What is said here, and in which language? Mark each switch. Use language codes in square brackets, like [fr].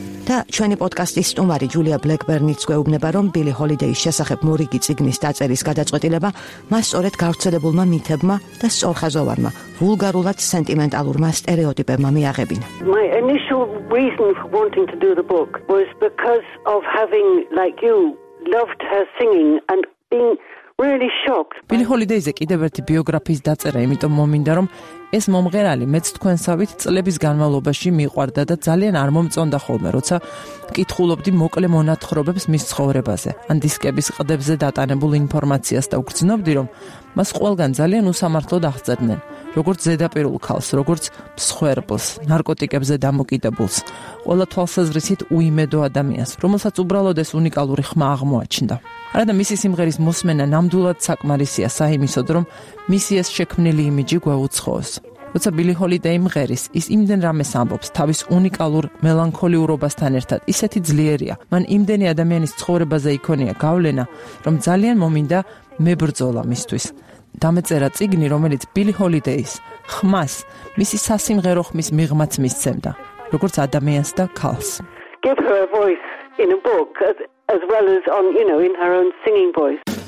[ka] და ჩვენი პოდკასტის სტუმარი ჯულია ბლეკბერნიც გვეუბნება, რომ ბილი ჰოლიდეის შესახებ მორიგი წიგნის დაწერის გადაწყვეტილება მას სწორედ გავრცელებულმა მითებმა და სწორხაზოვანმა, ვულგარულად სენტიმენტალურმა სტერეოტიპებმა მიაღებინა. [en] My initial reason for wanting to do the book was because of having, like you, loved her singing and being really shocked. [ka] ბილი ჰოლიდეიზე კიდევ ერთი ბიოგრაფიის დაწერა იმიტომ მომინდა, რომ ეს მომღერალი მეც თქვენსავით წლების განმავლობაში მიყვარდა და ძალიან არ მომწონდა ხოლმე, როცა კითხულობდი მოკლე მონათხრობებს მის ცხოვრებაზე ან დისკების ყდებზე დატანებულ ინფორმაციას და ვგრძნობდი, რომ მას ყველგან ძალიან უსამართლოდ აღწერდნენ, როგორც ზედაპირულ ქალს, როგორც მსხვერპლს, ნარკოტიკებზე დამოკიდებულს, ყველა თვალსაზრისით უიმედო ადამიანს, რომელსაც უბრალოდ ეს უნიკალური ხმა აღმოაჩნდა. არა და მისი სიმღერის მოსმენა ნამდვილად საკმარისია საიმისოდ, რომ მისი ეს შექმნილი იმიჯი გვეუცხოს. როცა ბილი ჰოლიდეი მღერის, ის იმდენ რამეს ამბობს თავის უნიკალურ მელანქოლიურობასთან ერთად, ისეთი ძლიერია, მან იმდენი ადამიანის ცხოვრებაზე იქონია გავლენა, რომ ძალიან მომინდა მებრძოლა მისთვის. დამეწერა წიგნი, რომელიც ბილი ჰოლიდეის ხმას მისი სასიმღერო ხმის მიღმაც მისცემდა, როგორც ადამიანს და ქალს. [en] Give her a voice in a book as well as on, you know, in her own singing voice.